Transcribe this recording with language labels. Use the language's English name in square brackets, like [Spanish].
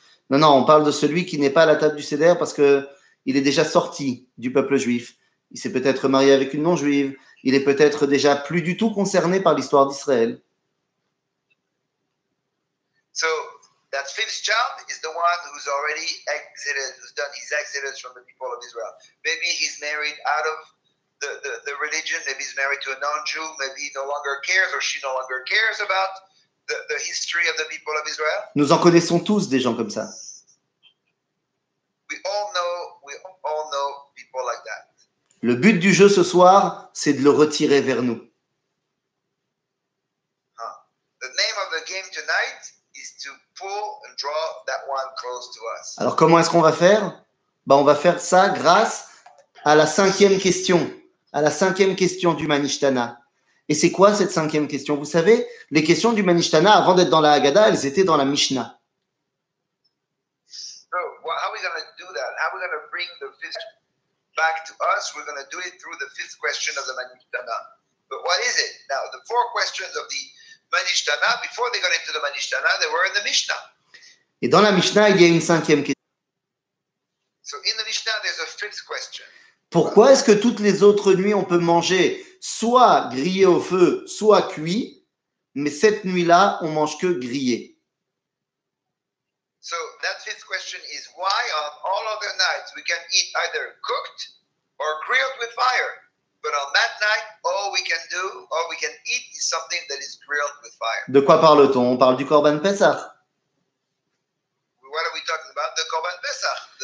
[French] Non, non, on parle de celui qui n'est pas à la table du CDR parce qu'il est déjà sorti du peuple juif. Il s'est peut-être marié avec une non-juive. Il est peut-être déjà plus du tout concerné par l'histoire d'Israël. [English] So, that fifth child is the one who's already exited, who's done his exodus from the people of Israel. Maybe he's married out of the religion, maybe he's married to a non-Jew, maybe he no longer cares or she no longer cares about the history of the people of Israel. [French] Nous en connaissons tous des gens comme ça. [English] We all know people like that. [French] Le but du jeu ce soir, c'est de le retirer vers nous. [English] The name of the game tonight is to pull and draw that one close to us. [French] Alors comment est-ce qu'on va faire? Ben, on va faire ça grâce à la cinquième question, du Manishtana. Et c'est quoi cette cinquième question? Vous savez, les questions du Manishtana, avant d'être dans la Haggadah, elles étaient dans la Mishnah. [English] So, well, how are we going to do that? How are we going to bring the fifth back to us? We're going to do it through the fifth question of the Manishtana. But what is it? Now, the four questions of the Manishtana, before they got into the Manishtana, they were in the Mishnah. [French] Et dans la Mishnah, il y a une cinquième question. [English] So in the Mishnah, there's a fifth question. [French] Pourquoi est-ce que toutes les autres nuits, on peut manger soit grillé au feu, soit cuit, mais cette nuit-là, on mange que grillé? [English] So that fifth question is why on all other nights, we can eat either cooked or grilled with fire. But on that night, all we can eat is something that is grilled with fire. [French] De quoi parle-t-on? On parle du Korban Pesach. [English] What are we talking about? The Korban Pesach.